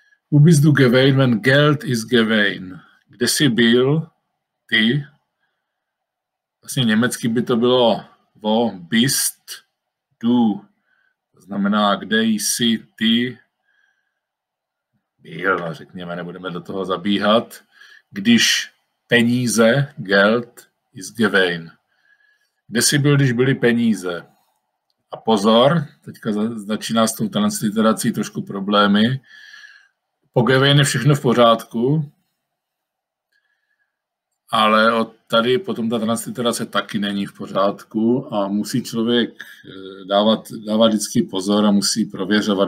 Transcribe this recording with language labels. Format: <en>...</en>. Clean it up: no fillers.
<yi>Wo bist du gewesen, wenn Geld ist gewesen?</yi> <cs>Kde jsi byl, ty? Vlastně německy by to bylo</cs> <de>wo bist du.</de> <cs>To znamená, kde jsi, ty? Byl, řekněme, nebudeme do toho zabíhat. Když peníze,</cs> <yi>Geld ist gewesen.</yi> <cs>Kde jsi byl, když byly peníze? A pozor, teďka začíná s tou transliterací trošku problémy. Po Gawain je všechno v pořádku. Ale od tady potom ta transliterace taky není v pořádku a musí člověk dávat vždycky pozor a musí prověřovat.</cs>